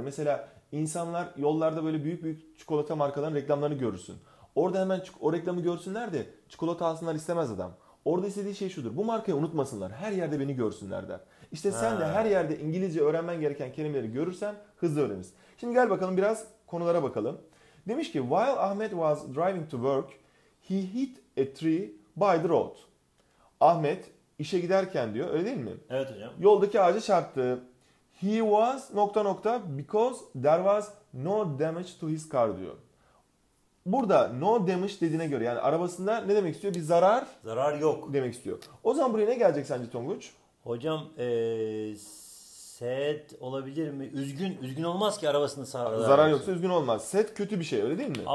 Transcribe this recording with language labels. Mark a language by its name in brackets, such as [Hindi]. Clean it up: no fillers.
[Turkish] Mesela insanlar yollarda böyle büyük büyük çikolata markalarının reklamlarını görürsün. Orada hemen o reklamı görsünler de çikolata alsınlar istemez adam. Orada istediği şey şudur. Bu markayı unutmasınlar. Her yerde beni görsünler der. İşte sen de her yerde İngilizce öğrenmen gereken kelimeleri görürsen hızlı öğrenirsin. Şimdi gel bakalım biraz konulara bakalım. Demiş ki, [English] while Ahmet was driving to work, he hit a tree by the road. [Turkish] Ahmet işe giderken diyor, öyle değil mi? Evet hocam. Yoldaki ağaca çarptı. [English] He was [Turkish] nokta nokta [English] because there was no damage to his car [Turkish] diyor. Burada [English] no damage [Turkish] dediğine göre yani arabasında ne demek istiyor? Bir zarar. Zarar yok. Demek istiyor. O zaman buraya ne gelecek sence Tonguç? Hocam sad olabilir mi? Üzgün olmaz ki arabasında zarar yoksa üzgün olmaz. Sad kötü bir şey öyle değil mi?